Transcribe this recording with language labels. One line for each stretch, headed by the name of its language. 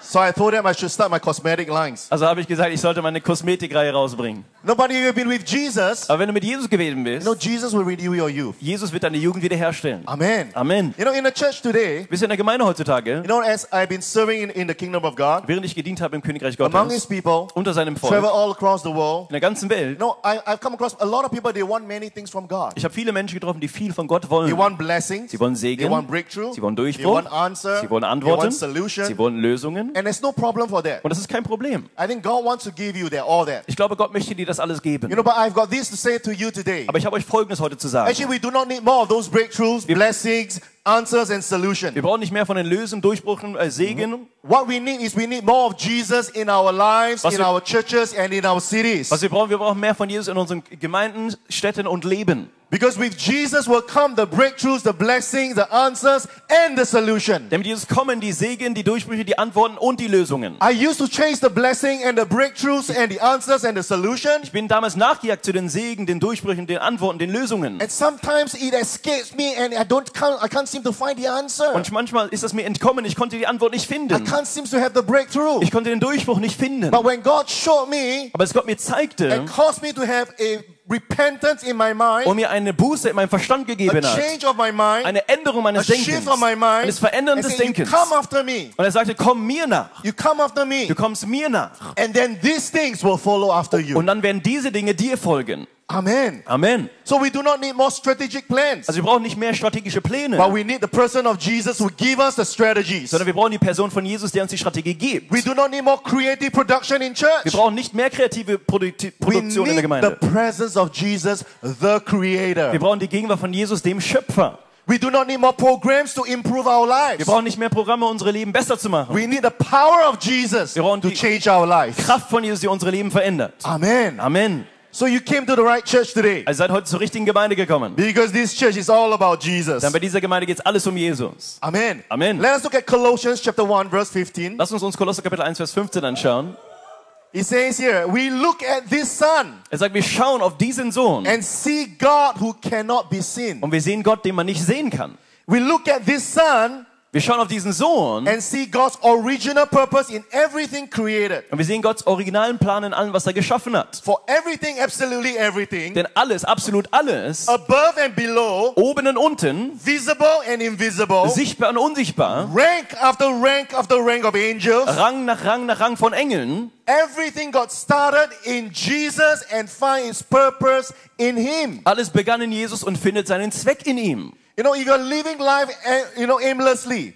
English: So I told them I should start my cosmetic lines.
German: Also habe ich gesagt, ich sollte meine Kosmetikreihe rausbringen.
English: Nobody you've been with Jesus.
German: Aber wenn du mit Jesus gewesen bist.
English: No, Jesus will renew your youth.
German: Jesus wird deine Jugend wiederherstellen.
English: Amen.
German: Amen.
English: You know, in the church today.
German: Bist du in der Gemeinde heutzutage?
English: You know, as I've been serving in the kingdom of God.
German: Während ich gedient habe im Königreich Gottes.
English: Among His people.
German: Unter seinem Volk.
English: Travel all across the world.
German: In der ganzen Welt.
English: You know, I've come across a lot of people. They want many things from God.
German: Ich habe viele Menschen getroffen, die viel von Gott wollen.
English: They want blessings.
German: Sie wollen Segen.
English: They want breakthrough.
German: Sie wollen Durchbruch.
English: They want answer.
German: Sie wollen Antworten.
English: They want solution.
German: Sie wollen Lösungen.
English: And there's no problem for that.
German: Und das ist kein Problem.
English: I think God wants to give you that, all that.
German: Ich glaube, Gott möchte dir das alles geben.
English: You know, but I've got this to say to you today.
German: Aber ich habe euch Folgendes heute zu sagen.
English: Actually, we do not need more of those breakthroughs, blessings, answers and solutions.
German: Wir brauchen nicht mehr von den Lösungen, Durchbrüchen, Segen.
English: What we need is we need more of Jesus in our lives, in our churches and in our cities.
German: Was wir brauchen mehr von Jesus in unseren Gemeinden, Städten und Leben.
English: Because with Jesus will come the breakthroughs, the blessings, the answers and the solution.
German: Denn mit Jesus kommen die Segen, die Durchbrüche, die Antworten und die Lösungen.
English: I used to chase the blessing and the breakthroughs and the answers and the solution.
German: Ich bin damals nachgejagt zu den Segen, den Durchbrüchen, den Antworten, den Lösungen.
English: And sometimes it escapes me and I can't seem to find the answer.
German: Und manchmal ist es mir entkommen, ich konnte die Antwort nicht finden.
English: I can't seem to have the breakthrough.
German: Ich konnte den Durchbruch nicht finden.
English: But when God showed me,
German: aber als Gott mir zeigte,
English: and caused me to have a repentance in my mind,
German: und mir eine Buße in meinem Verstand gegeben hat,
English: a change of my mind,
German: eine Änderung meines
English: a
German: Denkens,
English: shift of my mind,
German: eines Verändern des Denkens,
English: you come after me.
German: Und er sagte, komm mir nach.
English: You come after me.
German: Du kommst mir nach.
English: And then these things will follow after you.
German: Und dann werden diese Dinge dir folgen.
English: Amen.
German: Amen.
English: So we do not need more strategic plans.
German: Also wir brauchen nicht mehr strategische Pläne.
English: But we need the person of Jesus who give us the strategies.
German: Sondern wir brauchen die Person von Jesus, der uns die Strategie gibt.
English: We do not need more creative production in church.
German: Wir brauchen nicht mehr kreative Produktion in der Gemeinde.
English: We need the presence of Jesus, the Creator.
German: Wir brauchen die Gegenwart von Jesus, dem Schöpfer.
English: We do not need more programs to improve our lives.
German: Wir brauchen nicht mehr Programme, unsere Leben besser zu machen.
English: We need the power of Jesus to change our lives.
German: Kraft von Jesus, die unsere Leben verändert.
English: Amen.
German: Amen.
English: So you came to the right church today.
German: Also seid heute zur richtigen Gemeinde gekommen.
English: Because this church is all about Jesus.
German: Denn bei dieser Gemeinde geht's alles um Jesus.
English: Amen.
German: Amen.
English: Let us look at Colossians chapter 1 verse 15.
German: Lass uns Kolosser Kapitel 1 Vers 15 anschauen.
English: He says here, we look at this son.
German: Er sagt, wir schauen auf diesen Sohn.
English: And see God who cannot be seen.
German: Und wir sehen Gott, den man nicht sehen kann.
English: We look at this son.
German: Wir schauen auf diesen Sohn
English: and see God's original purpose in everything created.
German: Und wir sehen Gottes originalen Plan in allem, was er geschaffen hat.
English: For everything, absolutely everything,
German: denn alles, absolut alles,
English: above and below,
German: oben und unten,
English: visible and invisible,
German: sichtbar und unsichtbar,
English: rank after rank after rank of angels,
German: Rang nach Rang von Engeln,
English: everything got started in Jesus and find its purpose in him.
German: Alles begann in Jesus und findet seinen Zweck in ihm.
English: You know, you're living life, you know, aimlessly.